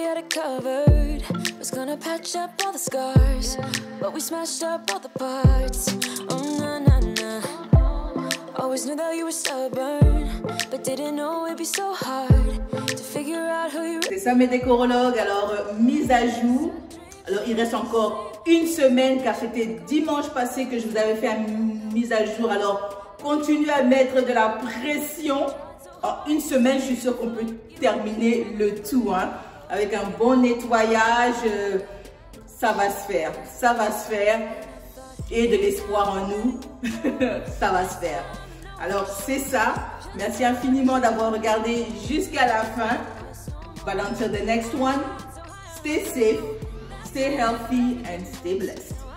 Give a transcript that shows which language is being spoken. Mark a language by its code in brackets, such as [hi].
[en] Covered, was gonna patch up all the scars, yeah. But we smashed up all the parts. Oh, na na na. Always knew that you were stubborn, but didn't know it'd be so hard to figure out who you were. [fr] C'est ça, mes décorologues. Alors, mise à jour. Alors, il reste encore une semaine, car c'était dimanche passé que je vous avais fait une mise à jour. Alors, continue à mettre de la pression. En une semaine, je suis sûre qu'on peut terminer le tout, hein. Avec un bon nettoyage, ça va se faire, ça va se faire. Et de l'espoir en nous, ça va se faire. Alors c'est ça, merci infiniment d'avoir regardé jusqu'à la fin. [en] But until the next one, stay safe, stay healthy and stay blessed.